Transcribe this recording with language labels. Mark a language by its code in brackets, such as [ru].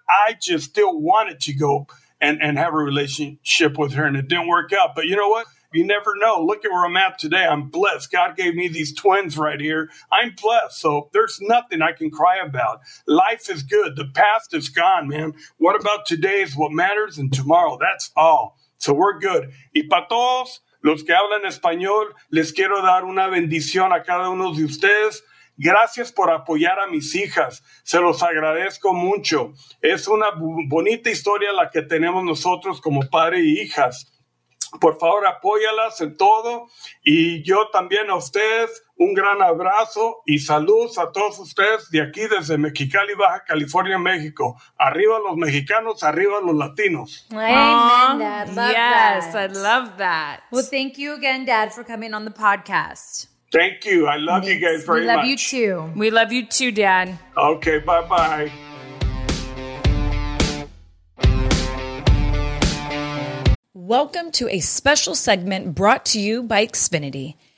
[en] I just still wanted to go and have a relationship with her, and it didn't work out. But you know what? You never know. Look at where I'm at today. I'm blessed. God gave me these twins right here. I'm blessed. So there's nothing I can cry about. Life is good. The past is gone, man. What about today is what matters, and tomorrow, that's all. So we're good. [es] Y para todos los que hablan español, les quiero dar una bendición a cada uno de ustedes. Gracias por apoyar a mis hijas. Se los agradezco mucho. Es una bonita historia la que tenemos nosotros como padre e hijas. Por favor, apóyalas en todo. Y yo también a ustedes, un gran abrazo y saludos a todos ustedes de aquí, desde Mexicali, Baja California, México. Arriba los mexicanos, arriba los latinos. [en] Amen, Dad. Love yes, that. I love that. Well, thank you again, Dad, for coming on the podcast. Thank you. I love Thanks. You guys very much. We love much. You too. We love you too, Dad. Okay, bye-bye. Welcome to a special segment brought to you by Xfinity.